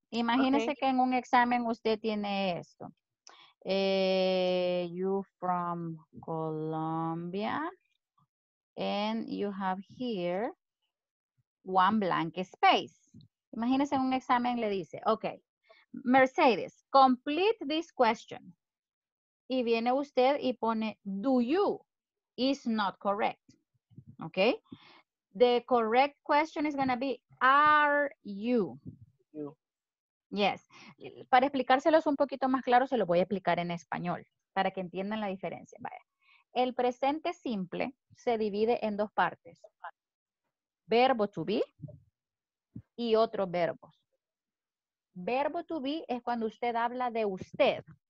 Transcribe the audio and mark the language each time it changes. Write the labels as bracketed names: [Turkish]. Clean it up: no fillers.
[Spanish] Imagínese que en un examen usted tiene esto. [English] You from Colombia, and you have here one blank space. [Spanish] Imagínese en un examen le dice, okay, Mercedes, [English] complete this question. [Spanish] Y viene usted y pone, [English] do you? Is not correct, okay? The correct question is gonna be, are you? You. Yes. [Spanish] Para explicárselos un poquito más claro, se lo voy a explicar en español, para que entiendan la diferencia. Vaya. El presente simple se divide en dos partes. Verbo to be, y otros verbos. Verbo to be es cuando usted habla de usted.